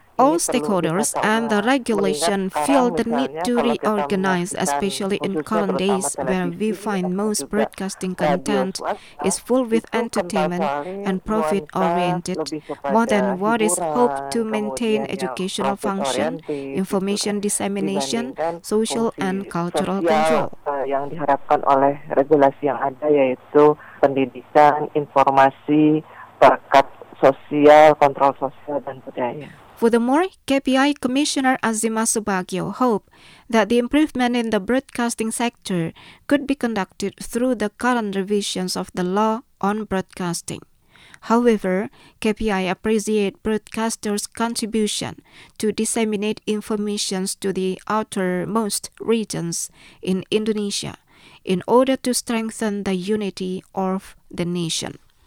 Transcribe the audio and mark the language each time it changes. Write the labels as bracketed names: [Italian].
[English] all stakeholders and the regulation feel the need to reorganize, especially in current days where we find most broadcasting content is full with entertainment and profit-oriented, more than what is hoped to maintain educational function, information dissemination, social and cultural control. [Indonesian] Yang diharapkan oleh regulasi yang ada yaitu pendidikan, informasi, perkat sosial, kontrol sosial, dan budaya. [English] Furthermore, KPI Commissioner Azima Subagio hope that the improvement in the broadcasting sector could be conducted through the current revisions of the law on broadcasting. However, KPI appreciate broadcasters' contribution to disseminate information to the outermost regions in Indonesia in order to strengthen the unity of the nation.